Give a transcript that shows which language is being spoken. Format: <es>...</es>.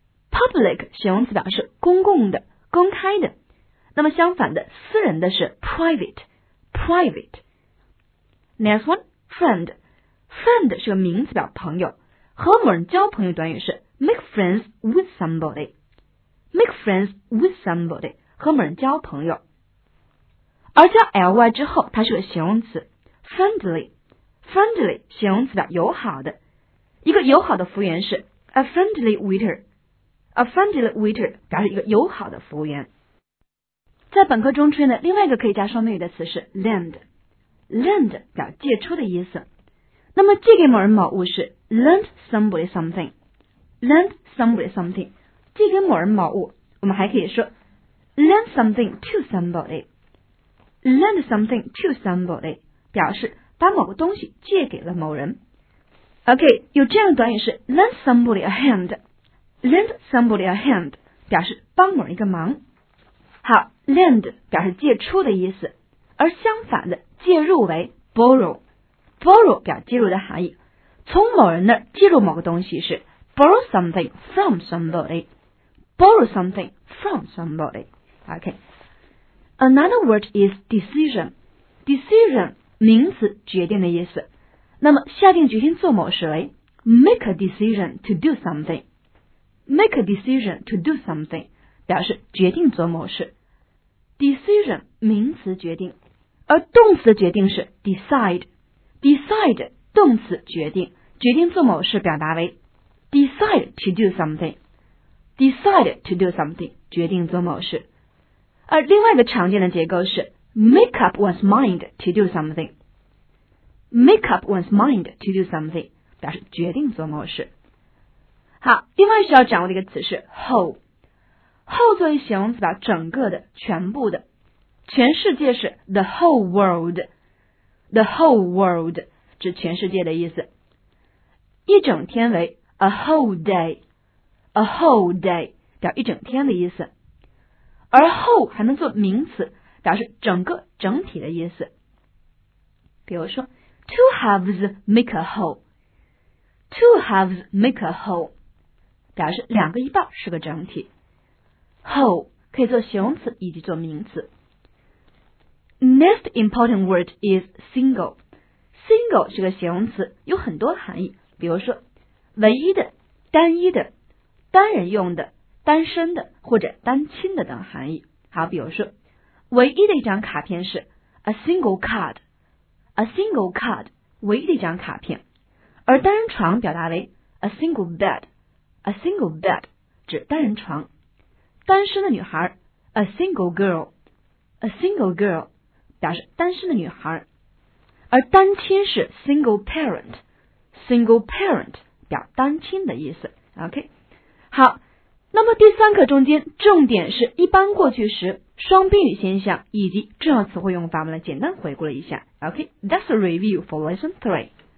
<zh>Public 形容词表示公共的、公开的。那么相反的，私人的是 private.</zh> <en>Private. Next one, friend.</en> <zh>Friend 是个名词表朋友。和某人交朋友短语是</zh> <en>make friends with somebody. Make friends with somebody.</en> <zh>和某人交朋友。而加 ly 之后，它是个形容词 friendly. Friendly 形容词表友好的。一个友好的服务员是</zh> <en>a friendly waiter， a friendly waiter</en> <zh>表示一个友好的服务员。在本课中出现的另外一个可以加双宾语的词是 lend， lend 表借出的意思。那么借给某人某物是</zh> <en>lend somebody something， lend somebody something，</en> <zh>借给某人某物。我们还可以说</zh> <en>lend something to somebody. Lend something to somebody</en> <zh>表示把某个东西借给了某人。 OK, 有这样的短语是</zh> <en>lend somebody a hand. Lend somebody a hand</en> <zh>表示帮某一个忙。好 ,lend 表示借出的意思。而相反的借入为 borrow。 Borrow 表借入的含义。从某人那儿借入某个东西是</zh> <en>borrow something from somebody. Borrow something from somebody. OK。 Another word is decision.</en> <zh>Decision, 名词决定的意思。那么下定决心做某事为</zh> <en>make a decision to do something. Make a decision to do something,</en> <zh>表示决定做某事。 Decision, 名词决定。而动词的决定是 decide. Decide, 动词决定。决定做某事表达为</zh> <en>decide to do something. Decide to do something,</en> <zh>决定做某事。而另外一个常见的结构是</zh> <en>make up one's mind to do something. Make up one's mind to do something</en> <zh>表示决定做某事。好，另外需要掌握的一个词是 whole. Whole 作为形容词表整个的、全部的。全世界是</zh> <en>the whole world. The whole world</en> <zh>指全世界的意思。一整天为</zh> <en>a whole day. A whole day</en> <zh>表一整天的意思。而 whole 还能做名词，表示整个、整体的意思。比如说 ，</zh> <en>two halves make a whole。 two halves make a whole</en> <zh>表示两个一半是个整体。</zh> <en>whole</en> <zh>可以做形容词以及做名词。</zh> <en>Next important word is single。</en> <zh>single 是个形容词，有很多含义。比如说，唯一的、单一的、单人用的。单身的或者单亲的等含义。好，比如说唯一的一张卡片是</zh> <en>a single card, a single card,</en> <zh>唯一的一张卡片。而单人床表达为</zh> <en>a single bed, a single bed,</en> <zh>指单人床。单身的女孩</zh> <en>a single girl, a single girl,</en> <zh>表示单身的女孩。而单亲是</zh> <en>single parent, single parent,</en> <zh>表单亲的意思。 OK, 好，那么第三课中间重点是一般过去时双宾语现象以及重要词汇用法，我们来简单回顾了一下。</zh> <en>OK, that's a review for lesson 3.</en>